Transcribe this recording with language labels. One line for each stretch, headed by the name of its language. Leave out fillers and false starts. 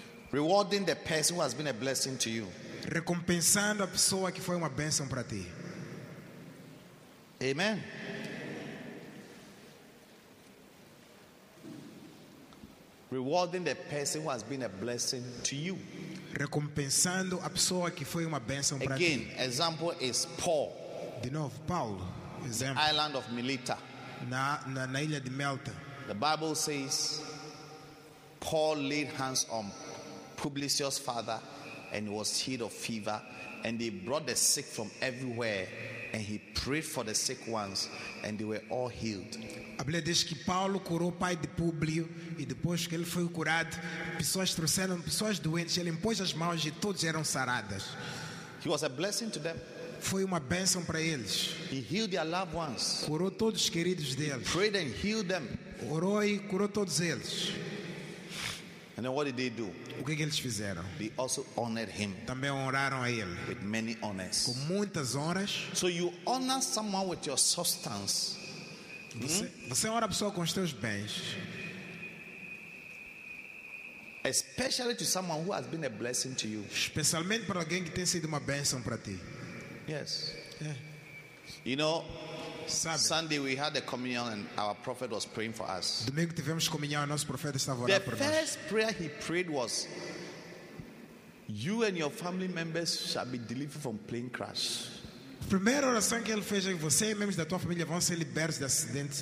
English: Rewarding the person who has been a blessing to you.
Portuguese: Recompensando a pessoa que foi uma bênção para ti.
English: Amen. Rewarding the person who has been a blessing to you.
Portuguese: Recompensando a pessoa que foi uma bênção para ti.
English: Again, example is Paul.
Portuguese: De novo, Paulo. Example.
English: The island of Melita.
Portuguese: Na ilha de Melta.
English: The Bible says Paul laid hands on Publius's father and he was healed of fever, and they brought the sick from everywhere and he prayed for the sick ones and they were all healed.
Portuguese: A Bíblia diz que Paulo curou o pai de Públio e depois que ele foi curado, pessoas trouxeram pessoas doentes, ele impôs as mãos e todos eram saradas.
English: He was a blessing to them.
Portuguese: Foi uma bênção para eles.
English: He healed their loved ones.
Portuguese: Curou todos os queridos deles.
English: He prayed and healed them.
Portuguese: Orou e curou todos eles.
English: And then what did they do?
Portuguese: O que eles fizeram?
English: They also honored him.
Portuguese: Também honraram a ele.
English: With many honors.
Portuguese: Com muitas honras.
English: So you honor someone with your substance.
Portuguese: Você honra a pessoa com os teus bens.
English: Especially to someone who has been a blessing to you.
Portuguese: Especialmente para alguém que tem sido uma bênção para ti.
English: Yes. You know,
Portuguese: sabe,
English: Sunday we had the communion and our prophet was praying for us.
Portuguese: Domingo tivemos comunhão e nosso profeta estava orando por nós.
English: The first prayer he prayed was, you and your family members shall be delivered from plane crash.
Portuguese: A primeira oração que ele fez é que você e membros da tua família vão ser libertos de acidentes.